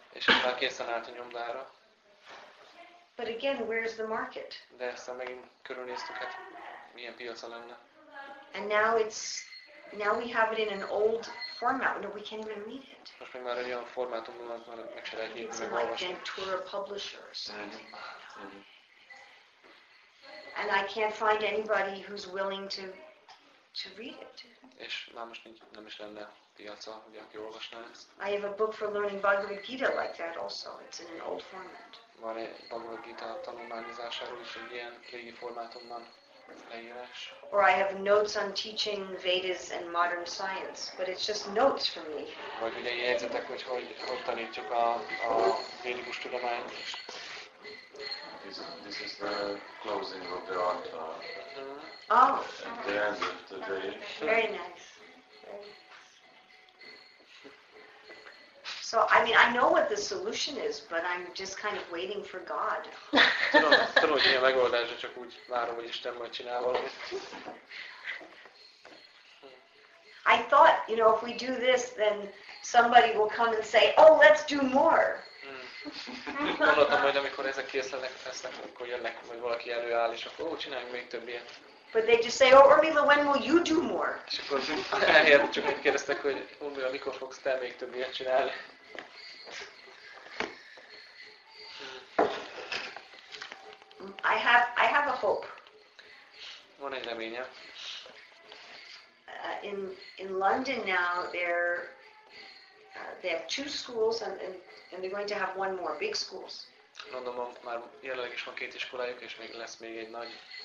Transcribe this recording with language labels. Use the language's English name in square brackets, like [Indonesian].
[Hungarian] És már készen állt a nyomdára. [English] But again, where's the market? [Hungarian] De aztán megint körülnéztük, hát milyen piaca lenne. [English] And now it's, now we have it in an old format. No, we can't even read it. [Hungarian] Most meg már egy olyan formátumban, mert meg se lehet nyitni, megolvasni. [English] It's like Ventura Publishers. And I can't find anybody who's willing to read it. [Hungarian] És már most nincs, nem is lenne piaca, hogy aki olvasná ezt. [English] I have a book for learning Bhagavad Gita like that also. It's in an old format. [Hungarian] Van egy Bhagavad Gita tanulmányozásáról is egy ilyen régi formátumban leírás. [English] Or I have notes on teaching Vedas and modern science, but it's just notes for me. [Hungarian] Vagy ugye jegyzetek, hogy hogy tanítjuk a védikus tudományt. [English] This is the closing of the antra. Mm-hmm. Oh. At the end of the day. Very nice. So I mean I know what the solution is, but I'm just kind of waiting for God. [Hungarian] Tudom, hogy mi a megoldás, csak úgy várom, hogy Isten majd csinál valamit. [English] I thought, you know, if we do this, then somebody will come and say, oh, let's do more. [Hungarian] Gondoltam, hogy amikor ezek készülnek, lesznek, akkor jönnek, hogy valaki előáll, és akkor ó, csináljunk még több ilyet. [English] But they just say, oh, Urmila, when will you do more? [Hungarian] És akkor elhelyett, csak úgy kérdeztek, hogy Urmila, mikor fogsz te még több ilyet csinálni? [English] I have a hope. [Hungarian] Van egy reményem. [English] In London now, they have two schools and they're going to have one more big schools. [Hungarian] Londonban már jelenleg is van két iskolájuk, és még lesz még egy nagy.